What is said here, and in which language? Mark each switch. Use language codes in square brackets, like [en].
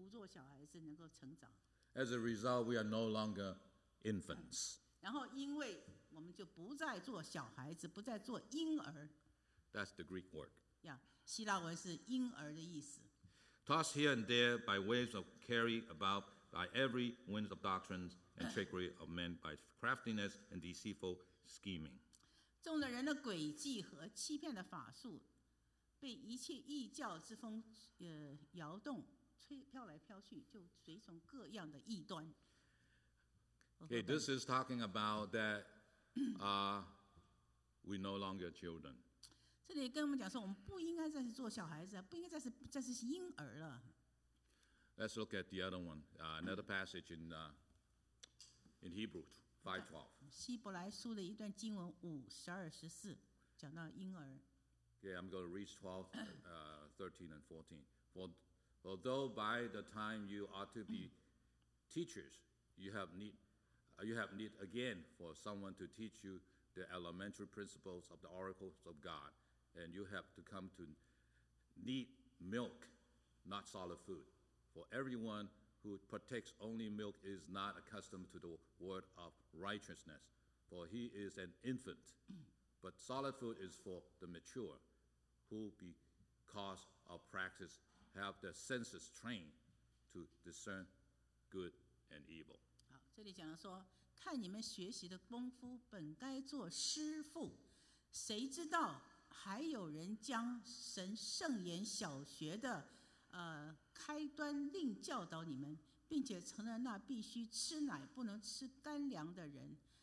[zh] 是在真道里面合一，然后能够认识神，然后能够不做小孩子，能够成长。 [en] As a result, we are no longer infants. [zh] 然后因为我们就不再做小孩子，不再做婴儿。 [en] That's the Greek word. [zh] Yeah, 希腊文是婴儿的意思。 [en] Tossed here and there by waves of carry about by every wind of doctrines and trickery of men by craftiness and deceitful scheming. [zh] 众的人的诡计和欺骗的法术被一切异教之风摇动，飘来飘去，就随从各样的异端。 [en] Okay, this is talking about that we no longer children. [zh] 这里跟我们讲说，我们不应该再是做小孩子，不应该再是婴儿了。 [en] Let's look at the other one, another passage in Hebrews. 5:12. [zh] 希伯来书的一段经文5:12-14，讲到婴儿。 [en] Okay, I'm going to read 12, 13 and 14. For though by the time you ought to be teachers, you have need again for someone to teach you the elementary principles of the oracles of God, and you have to come to need milk, not solid food. For everyone who partakes only milk is not accustomed to the word of righteousness, for he is an infant. But solid food is for the mature, who because of practice have their senses trained to discern good and evil. [zh] 好，这里讲的说，看你们学习的功夫本该做师父，谁知道还有人将神圣言小学的开端另教导你们，并且成了那必须吃奶不能吃干粮的人。